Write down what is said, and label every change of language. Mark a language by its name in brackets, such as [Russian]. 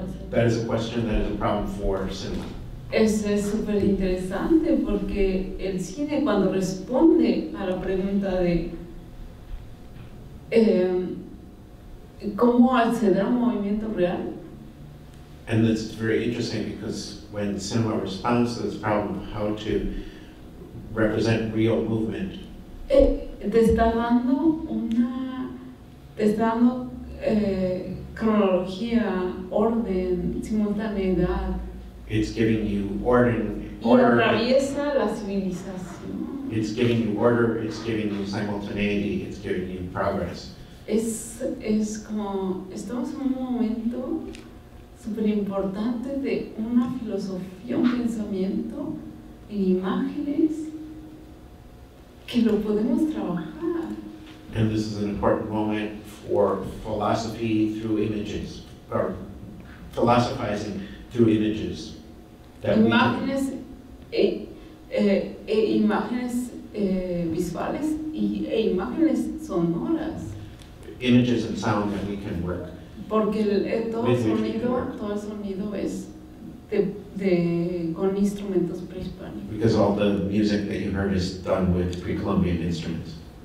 [English] That is a question that is a problem for cinema. [Spanish] Eso es súper interesante porque el cine cuando responde a la pregunta de cómo acceder a un movimiento real. [English] And that's very interesting because when cinema responds to this problem, how to represent real movement, [Spanish] Te está dando una, te está dando cronología, orden, simultaneidad. [English] It's giving you order. [Spanish] Atraviesa la civilización. [English] It's giving you order. It's giving you simultaneity. It's giving you progress. [Spanish] Es como estamos en un momento súper importante de una filosofía, un pensamiento en imágenes que lo podemos trabajar. [English] And this is an important moment for philosophy through images, or philosophizing through images. [Spanish] Imágenes, imágenes visuales y imágenes sonoras. [English] Images and sound that we can work. [Spanish] Porque todo el sonido es de con instrumentos prehispánicos. [English] Because all the music that you heard is done with pre-Columbian instruments.